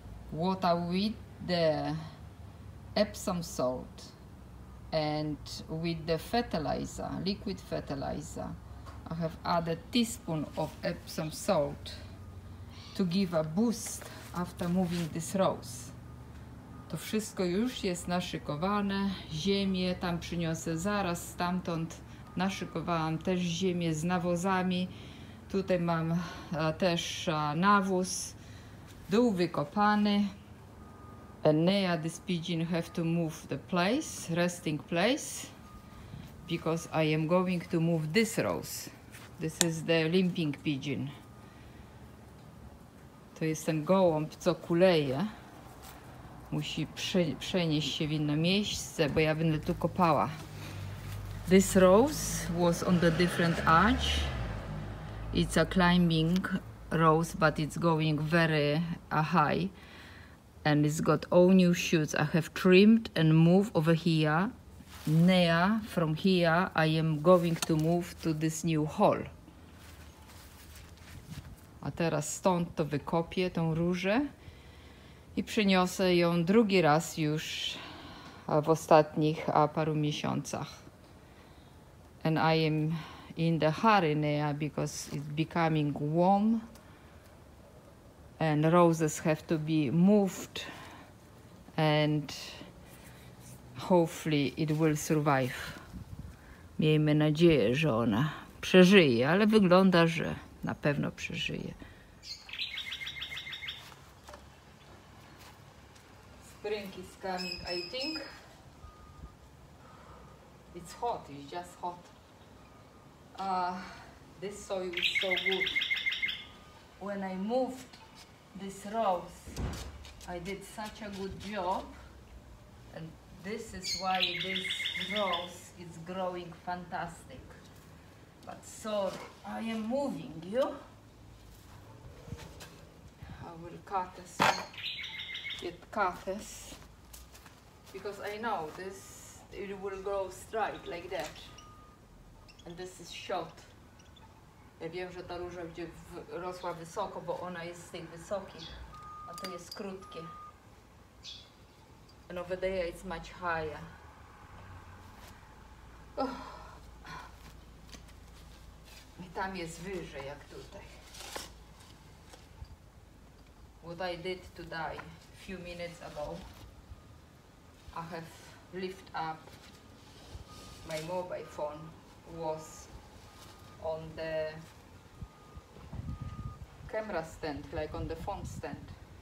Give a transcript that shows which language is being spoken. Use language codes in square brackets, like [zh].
[en] Water with the Epsom salt and with the fertilizer, liquid fertilizer. I have added a teaspoon of Epsom salt to give a boost after moving this rose. [pl] To wszystko już jest naszykowane. Ziemię tam przyniosę zaraz stamtąd. Naszykowałam też ziemię z nawozami. Tutaj mam też nawóz. Dół wykopany. [en] And now this pigeon have to move the place, resting place, because I am going to move this rose. This is the limping pigeon. [pl] To jest ten gołąb, co kuleje. Musi przenieść się w inne miejsce, bo ja będę tu kopała. [en] This rose was on the different arch. It's a climbing rose, but it's going very high. And it's got all new shoots. I have trimmed and moved over here. Now, from here, I am going to move to this new hole. [pl] teraz stąd to wykopię tą różę i przyniosę ją drugi raz już w ostatnich paru miesiącach. [en] And I am in the hurry now because it's becoming warm and roses have to be moved and hopefully it will survive. [pl] Miejmy nadzieję, że ona przeżyje, ale wygląda, że na pewno przeżyje. [en] Spring is coming, I think. It's hot, it's just hot. This soil is so good. When I moved this rose, I did such a good job. And this is why this rose is growing fantastic. But sorry, I am moving you. I will cut this, get cut this. Because I know this, it will grow straight like that. And this is short. [pl] Ja wiem, że ta róża będzie rosła wysoko, bo ona jest z tych wysokich, a to jest krótkie. [en] And over there it's much higher. [pl] I tam jest wyżej jak tutaj. [en] What I did today, few minutes ago, I have lift up my mobile phone, was on the camera stand, like on the phone stand.